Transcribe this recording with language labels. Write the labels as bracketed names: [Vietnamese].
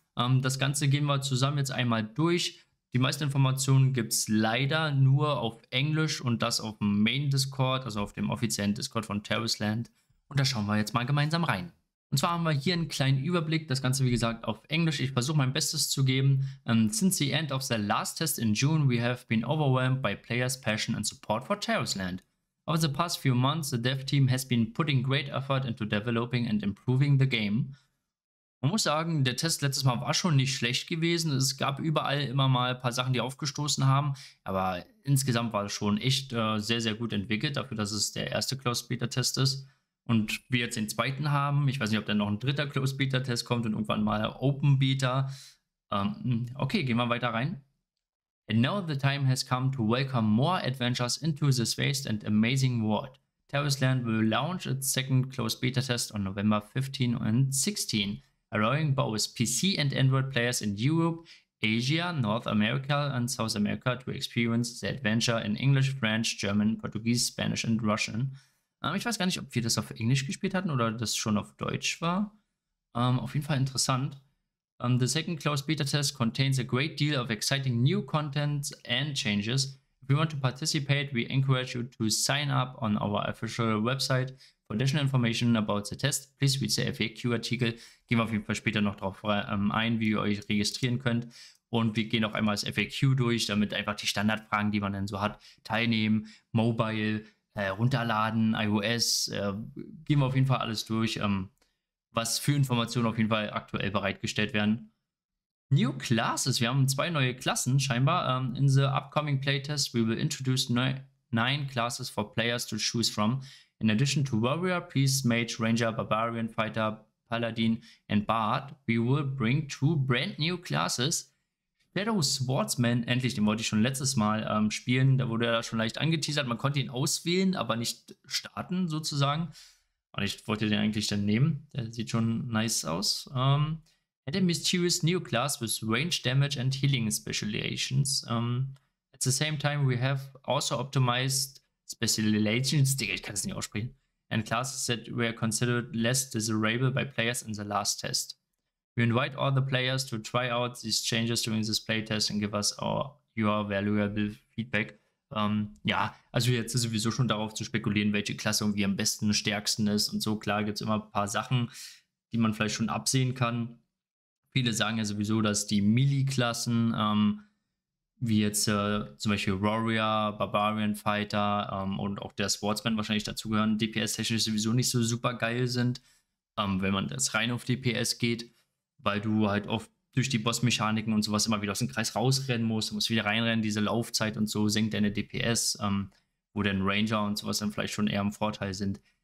[German] Das Ganze gehen wir zusammen jetzt einmal durch. Die meisten Informationen gibt es leider nur auf Englisch und das auf dem Main Discord, also auf dem offiziellen Discord von Terraceland. Und da schauen wir jetzt mal gemeinsam rein. Und zwar haben wir hier einen kleinen Überblick, das Ganze wie gesagt auf Englisch. Ich versuche mein Bestes zu geben. [English] Since the end of the last test in June, we have been overwhelmed by players' passion and support for Terraceland. Over the past few months, the dev team has been putting great effort into developing and improving the game. [German] Man muss sagen, der Test letztes Mal war schon nicht schlecht gewesen. Es gab überall immer mal ein paar Sachen, die aufgestoßen haben. Aber insgesamt war es schon echt sehr, sehr gut entwickelt, dafür, dass es der erste Closed Beta Test ist. Und wir jetzt den zweiten haben. Ich weiß nicht, ob dann noch ein dritter Closed Beta Test kommt und irgendwann mal Open Beta. Okay, gehen wir weiter rein. [English] And now the time has come to welcome more adventures into this vast and amazing world. Terraceland will launch its second Closed Beta Test on November 15 and 16. Allowing both PC and Android players in Europe, Asia, North America and South America to experience the adventure in English, French, German, Portuguese, Spanish and Russian. [German] Ich weiß gar nicht, ob wir das auf Englisch gespielt hatten oder das schon auf Deutsch war. Auf jeden Fall interessant. [English] The second closed beta test contains a great deal of exciting new content and changes. If you want to participate, we encourage you to sign up on our official website. For additional information about the test, please read the FAQ-Artikel. [German] Gehen wir auf jeden Fall später noch darauf ein, wie ihr euch registrieren könnt. Und wir gehen auch einmal das FAQ durch, damit einfach die Standardfragen, die man dann so hat, teilnehmen, Mobile, runterladen, iOS. Gehen wir auf jeden Fall alles durch, was für Informationen auf jeden Fall aktuell bereitgestellt werden. [English] New Classes. [German] Wir haben zwei neue Klassen scheinbar. [English] In the upcoming Playtest, we will introduce 9 Classes for players to choose from. In addition to Warrior, Priest, Mage, Ranger, Barbarian, Fighter, Paladin and Bard, we will bring 2 brand new classes. [German] Shadow Swordsman, endlich, den wollte ich schon letztes Mal spielen, da wurde er da schon leicht angeteasert. Man konnte ihn auswählen, aber nicht starten sozusagen. Und ich wollte den eigentlich dann nehmen, der sieht schon nice aus. [English] Had a mysterious new class with range damage and healing specializations. At the same time, we have also optimized specializations, [German] Digga, ich kann es nicht aussprechen, [English] and classes that were considered less desirable by players in the last test. We invite all the players to try out these changes during this playtest and give us your valuable feedback. [German] Ja, also jetzt ist sowieso schon darauf zu spekulieren, welche Klasse irgendwie am besten, stärksten ist und so. Klar gibt es immer ein paar Sachen, die man vielleicht schon absehen kann. Viele sagen ja sowieso, dass die Melee-Klassen, wie jetzt zum Beispiel Warrior, Barbarian Fighter und auch der Swordsman wahrscheinlich dazugehören, DPS-technisch sowieso nicht so super geil sind, wenn man das rein auf DPS geht, weil du halt oft durch die Boss-Mechaniken und sowas immer wieder aus dem Kreis rausrennen musst, musst wieder reinrennen, diese Laufzeit und so senkt deine DPS, wo dann Ranger und sowas dann vielleicht schon eher im Vorteil sind.